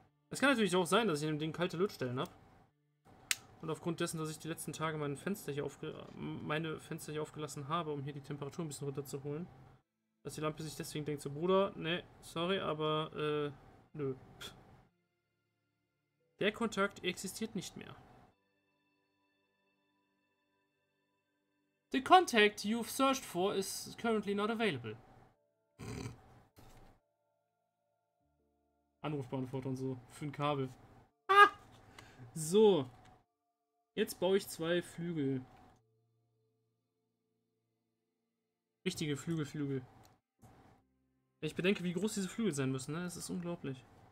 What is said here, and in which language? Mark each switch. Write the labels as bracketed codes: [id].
[de] Es kann natürlich auch sein, dass ich in dem Ding kalte Lötstellen habe. Und aufgrund dessen, dass ich die letzten Tage meine Fenster hier aufgelassen habe, um hier die Temperatur ein bisschen runterzuholen, dass die Lampe sich deswegen denkt, so, Bruder, ne, sorry, aber, nö. Der Kontakt existiert nicht mehr. [en] The contact you've searched for is currently not available. [de] Anrufbeantworter und so, für ein Kabel. Ah! So. Jetzt baue ich zwei Flügel. Richtige Flügel. Ich bedenke, wie groß diese Flügel sein müssen, ne? Es ist unglaublich.